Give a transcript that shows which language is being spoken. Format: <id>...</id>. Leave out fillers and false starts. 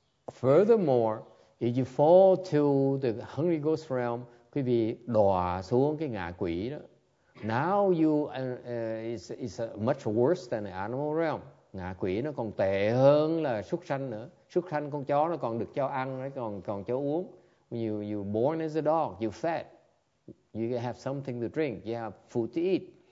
<en>Furthermore, if you fall to the hungry ghost realm,</en> <vi>quý vị đọa xuống cái ngạ quỷ đó.</vi> <en>Now you is much worse than the animal realm.</en> <vi>Ngạ quỷ nó còn tệ hơn là súc sanh nữa. Súc sanh con chó nó còn được cho ăn, nó còn cho uống.</vi> <en>You born as a dog, you fed. You have something to drink, you have food to eat.</en>